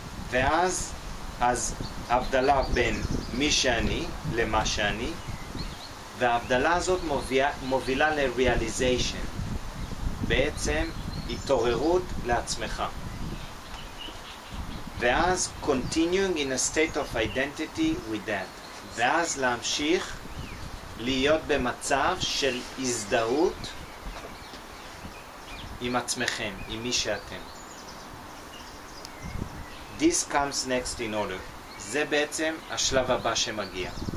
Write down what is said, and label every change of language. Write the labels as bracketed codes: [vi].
[he] ואז, אז הבדלה בין מי שאני למה שאני, וההבדלה הזאת מובילה ל-realization, בעצם התעוררות לעצמך. [en] ואז continuing in a state of identity with that. [he] ואז להמשיך להיות במצב של הזדהות עם עצמכם, עם מי שאתם. [en] This comes next in order. [he] זה בעצם השלב הבא שמגיע.